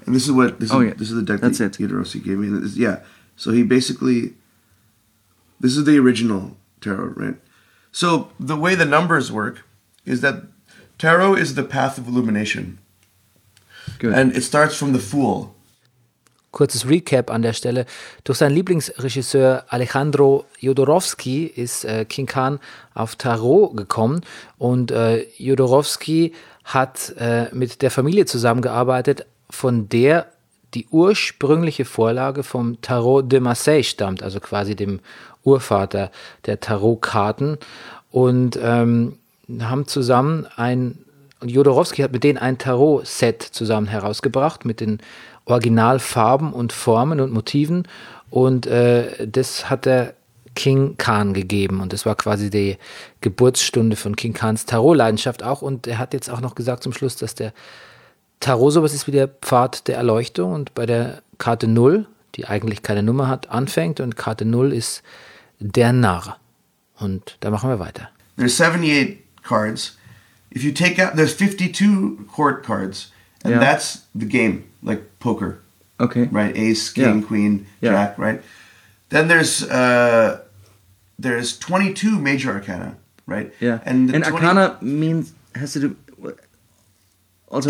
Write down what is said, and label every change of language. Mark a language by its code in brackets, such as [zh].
[en] And this is what this is the deck that Jodorowsky gave me. So he basically, this is the original tarot, right? So the way the numbers work is that tarot is the path of illumination. Good. And it starts from the Fool. [de] Kurzes Recap an der Stelle. Durch seinen Lieblingsregisseur Alejandro Jodorowsky ist King Khan auf Tarot gekommen und Jodorowsky hat mit der Familie zusammengearbeitet, von der die ursprüngliche Vorlage vom Tarot de Marseille stammt, also quasi dem Urvater der Tarotkarten, und haben zusammen Jodorowsky hat mit denen ein Tarot-Set zusammen herausgebracht, mit den Originalfarben und Formen und Motiven, und das hat der King Khan gegeben, und das war quasi die Geburtsstunde von King Khans Tarot-Leidenschaft auch, und er hat jetzt auch noch gesagt zum Schluss, dass der Tarot sowas ist wie der Pfad der Erleuchtung und bei der Karte 0, die eigentlich keine Nummer hat, anfängt, und Karte 0 ist der Narr, und da machen wir weiter. [en] There's 78 cards. If you take out, there's 52 court cards, and that's the game, like poker. Okay. Right? Ace, king, queen, jack, right? Then there's 22 major arcana, right? Yeah. And arcana means, has to do, also